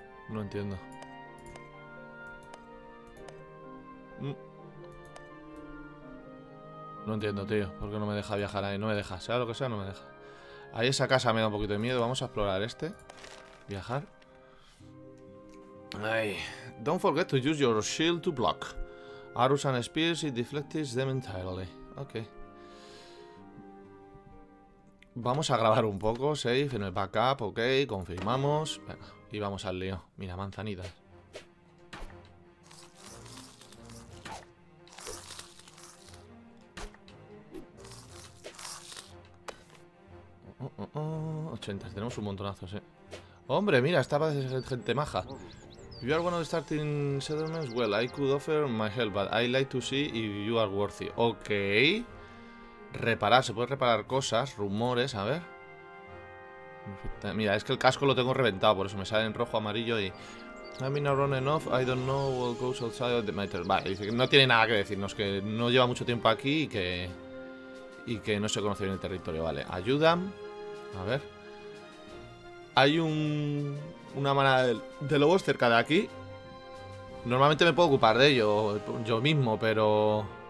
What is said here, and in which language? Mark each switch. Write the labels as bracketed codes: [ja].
[es] No entiendo. No entiendo, tío. ¿Por qué no me deja viajar ahí? No me deja. Sea lo que sea, no me deja. Ahí esa casa me da un poquito de miedo. Vamos a explorar este. Viajar. Ay. [en] Don't forget to use your shield to block. Arrows and spears, it deflects them entirely. Ok. [es] Vamos a grabar un poco. Safe en el backup. Ok, confirmamos. Venga, y vamos al lío. Mira, manzanitas. Ochentas, tenemos un montonazo, sí. Hombre, mira, esta parece ser gente maja. [en] You are one of the starting settlements. Well, I could offer my help, but I'd like to see if you are worthy. Ok. [es] Reparar, se puede reparar cosas, rumores, a ver. Mira, es que el casco lo tengo reventado, por eso me sale en rojo, amarillo y... [en] I mean, I'm running off, I don't know what goes outside of the matter. [es] Vale, dice que no tiene nada que decirnos, que no lleva mucho tiempo aquí y que... Y que no se conoce bien el territorio, vale. Ayudan. A ver. Hay un... Una manada de lobos cerca de aquí. Normalmente me puedo ocupar de ello yo mismo, pero...